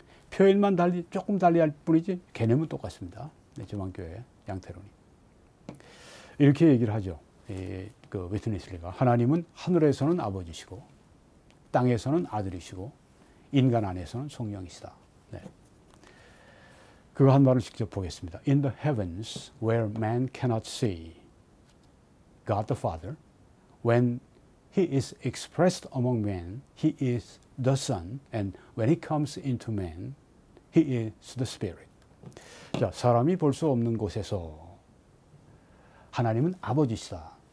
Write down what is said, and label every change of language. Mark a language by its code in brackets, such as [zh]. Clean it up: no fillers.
[ko] 표현만 달리 조금 달리 할 뿐이지 개념은 똑같습니다. 지방교회 양태론이 이렇게 얘기를 하죠. 그 위트니슬리가 하나님은 하늘에서는 아버지시고 땅에서는 아들이시고 인간 안에서는 성령이시다. 그거 한 말을 직접 보겠습니다. [en] In the heavens where man cannot see God the Father, when he is expressed among men, he is the Son, and when he comes into man, he is the Spirit. [ko] 자, 사람이 볼수 없는 곳에서 하나님은 아버지시다.